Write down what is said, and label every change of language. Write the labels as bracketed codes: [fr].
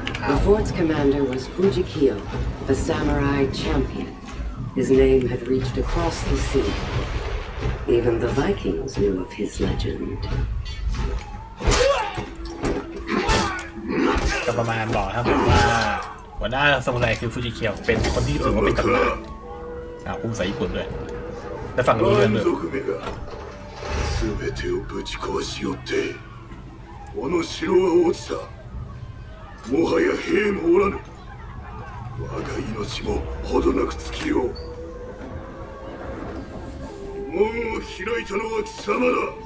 [en] The fort's commander was Fujikiyo, a samurai champion. His name had reached across the sea. Even the Vikings knew of his legend. [th] ก็ประมาณบอกครับว่าหัวหน้าซามูไรคือฟูจิเคียวเป็นคนที่ถือว่าเป็นตำนานอุ้มสายญี่ปุ่นด้วยและฝั่งนี้ด้วย [ja] すべてをぶち壊しよってこの城は落ちたもはや兵もおらぬ我が命もほどなく尽きよう門を開いたのは貴様だ。